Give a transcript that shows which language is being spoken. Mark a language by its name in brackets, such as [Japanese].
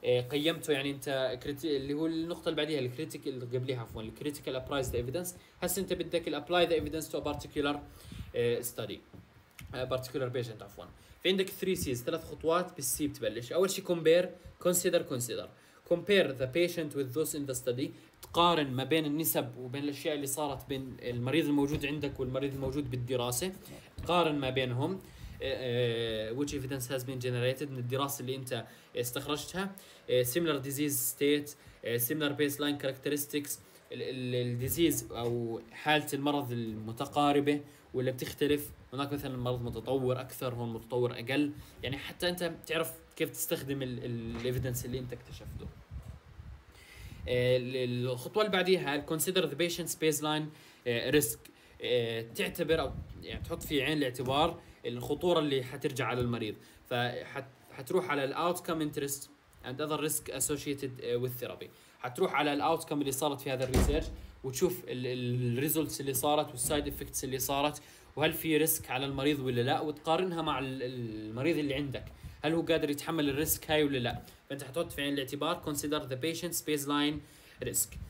[Arabic] قيمته يعني انت اللي هو النقطة اللي بعديها الكريتيكال قبلها عفوا الكريتيكال ابرايز ذا إيفيدنس، هسه انت بدك الابلاي ذا إيفيدنس تو بارتيكولار ستادي بارتيكولار بيشنت عفوا. في عندك 3 سيز ثلاث خطوات بالسي بتبلش. اول شيء كومبير، كونسيدر، كونسيدر. [English] Compare the patient with those in the study. [Arabic] تقارن ما بين النسب وبين الأشياء اللي صارت بين المريض الموجود عندك والمريض الموجود بالدراسة. قارن ما بينهم. [English] Which evidence has been generated [Arabic] من الدراسة اللي أنت استخرجتها. [English] Similar disease state. Similar baseline characteristics. [Arabic] ال disease أو حالة المرض المتقاربة ولا بتختلف. هناك مثلا المرض متطور أكثر، هون متطور أقل. يعني حتى أنت تعرف كيف تستخدم الإيفيدنس اللي أنت اكتشفته. الخطوة اللي بعديها [English] consider the patient's baseline risk، [Arabic] تعتبر أو يعني تحط في عين الاعتبار الخطورة اللي حترجع على المريض. فحتروح على [English] the outcome interest and other risk associated with therapy. [Arabic] حتروح على [English] the outcome [Arabic] اللي صارت في هذا الريسيرش وتشوف ال results اللي صارت والسايد إفكتس اللي صارت، وهل في ريسك على المريض ولا لا، وتقارنها مع المريض اللي عندك، هل هو قادر يتحمل الريسك هاي ولا لا. فانت حتحط في عين الاعتبار [English] consider the patient's baseline risk.